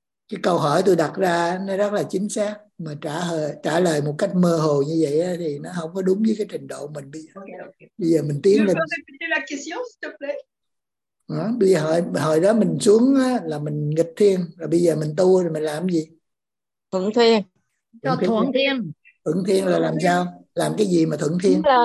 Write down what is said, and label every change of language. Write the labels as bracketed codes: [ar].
[vi] Cái câu hỏi tôi đặt ra nó rất là chính xác. Mà trả lời một cách mơ hồ như vậy thì nó không có đúng với cái trình độ mình bây giờ. Okay. Bây giờ mình tiến lên. [fr] Tu peux répéter la question, s'il te plaît? [vi] Bây giờ hồi đó mình xuống là mình nghịch thiên, rồi bây giờ mình tu rồi mình làm gì? Thuận thiên. Thuận thiên. Thuận thiên là làm sao? Làm cái gì mà thuận thiên?